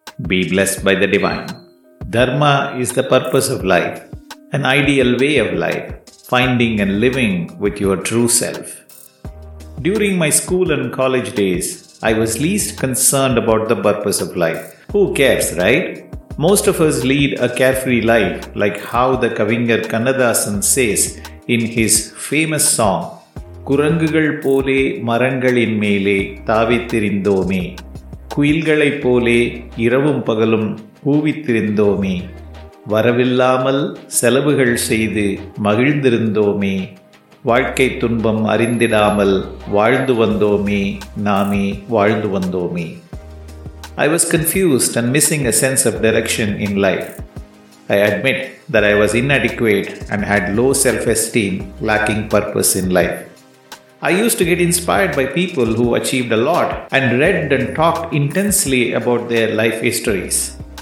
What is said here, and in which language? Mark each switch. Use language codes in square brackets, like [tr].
[en] Be blessed by the divine. Dharma is the purpose of life, an ideal way of life, finding and living with your true self. During my school and college days, I was least concerned about the purpose of life. Who cares, right? Most of us lead a carefree life, like how the Kavingar Kannadasan says in his famous song, [ta] குரங்குகள் போலே மரங்களின் மேலே தாவித்திருந்தோமே, குயில்களைப் போலே இரவும் பகலும் ஊவித்திருந்தோமே, வரவில்லாமல் செலவுகள் செய்து மகிழ்ந்திருந்தோமே, வாழ்க்கை துன்பம் அறிந்திடாமல் வாழ்ந்து வந்தோமே, நாமே வாழ்ந்து வந்தோமே. [en] I was confused and missing a sense of direction in life. I admit that I was inadequate and had low self-esteem, lacking purpose in life. I used to get inspired by people who achieved a lot and read and talked intensely about their life histories.